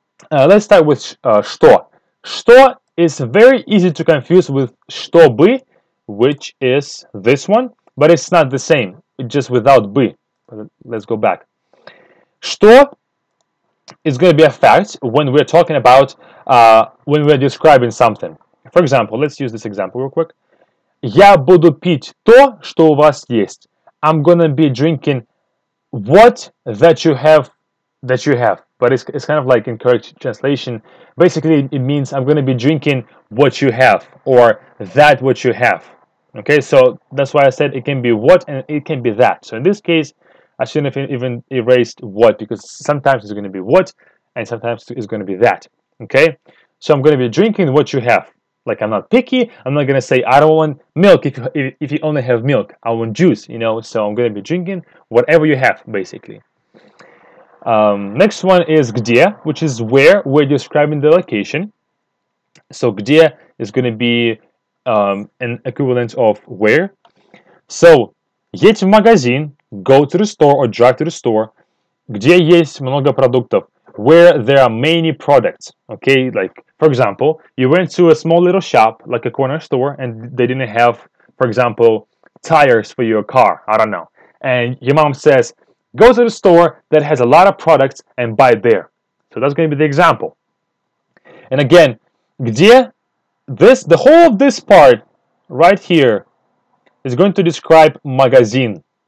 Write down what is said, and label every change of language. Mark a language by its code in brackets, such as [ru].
[en] Let's start with что. Что is very easy to confuse with чтобы, which is this one. But it's not the same, just without бы. Let's go back. Что is going to be a fact when we're talking about, when we're describing something. For example, let's use this example real quick. [ru] Я буду пить то, что у вас есть. [en] I'm going to be drinking what that you have. But it's kind of like incorrect translation. Basically, it means I'm going to be drinking what you have or that what you have. Okay, so that's why I said it can be what and it can be that. So in this case, I shouldn't have even erased what, because sometimes it's going to be what, and sometimes it's going to be that, okay? So I'm going to be drinking what you have. Like, I'm not picky, I'm not going to say, I don't want milk if you only have milk. I want juice, you know? So I'm going to be drinking whatever you have, basically. Next one is где, which is where we're describing the location. So где is going to be an equivalent of where. [ru] So, едь в магазин. [en] Go to the store or drive to the store. [ru] Где есть много продуктов? [en] Where there are many products. Okay, like, for example, you went to a small little shop, like a corner store, and they didn't have, for example, tires for your car. I don't know. And your mom says, go to the store that has a lot of products and buy there. So that's going to be the example. And again, где this, the whole of this part right here is going to describe магазин.